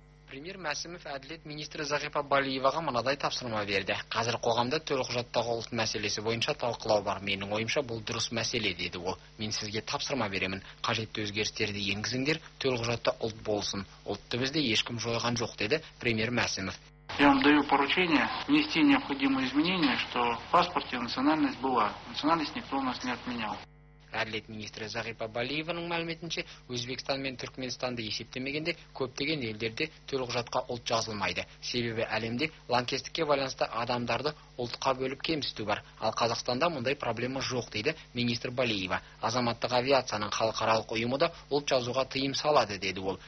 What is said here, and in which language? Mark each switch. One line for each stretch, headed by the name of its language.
Kazakh: Премьер Мәсімов әділет министрі Зағипа Балиеваға мынадай тапсырма берді. Қазір қоғамда төлқұжаттағы ұлт мәселесі бойынша талқылау бар. Менің ойымша бұл дұрыс мәселе, деді ол. Мен сізге тапсырма беремін. Қажетті өзгерістерді енгізіңдер, төлқұжатта ұлт болсын. Ұлтты бізде ешкім жойған жоқ, деді премьер Мәсімов.
Russian: Я вам даю поручение внести необходимые изменения, что в паспорте национальность была. Национальность никто у нас не отменял.
Kazakh: Әділет министрі Зағипа Балиеваның мәліметінше, Өзбекстан мен Түркменстанды есептемегенде көптеген елдерде төлқұжатқа ұлт жазылмайды. Себебі әлемде лаңкестікке байланысты адамдарды ұлтқа бөліп кемсіту бар. Ал Қазақстанда мұндай проблема жоқ, дейді министр Балиева. Азаматтық авиацияның халықаралық ұйымы да ұлт жазуға тыйым салады, деді ол.